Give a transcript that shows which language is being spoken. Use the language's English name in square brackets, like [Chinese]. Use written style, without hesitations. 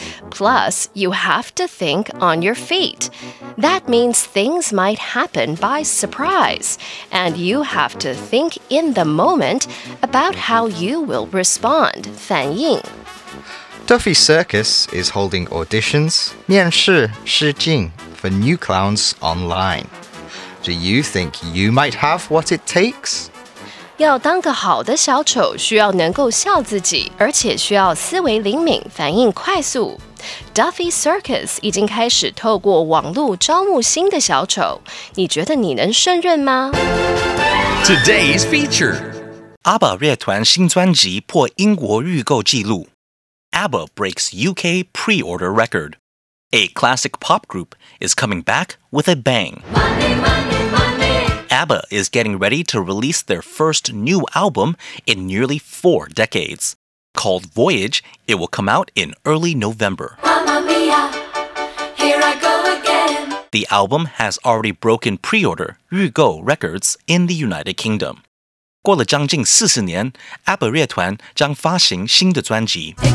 [English] Plus, you have to think on your feet. That means things might happen by surprise, and you have to think in the moment about how you will respond, [Chinese] 反应。 [English] Duffy Circus is holding auditions, [Chinese] 面试、试镜 [English] for new clowns online. Do you think you might have what it takes? [Chinese] 要当个好的小丑，需要能够笑自己，而且需要思维灵敏，反应快速。 Duffy Circus 已经开始透过网络招募新的小丑，你觉得你能胜任吗？ [English] Today's feature， [Chinese] ABBA 乐团新专辑破英国预购纪录。 [English] ABBA breaks UK pre-order record. A classic pop group is coming back with a bang. Money, money, money. ABBA is getting ready to release their first new album in nearly four decades. Called Voyage, it will come out in early November. Mamma mia, here I go again. The album has already broken pre-order [Chinese] 预购 [English] records in the United Kingdom. [Chinese] 过了将近四十年 ABBA 乐团将发行新的专辑。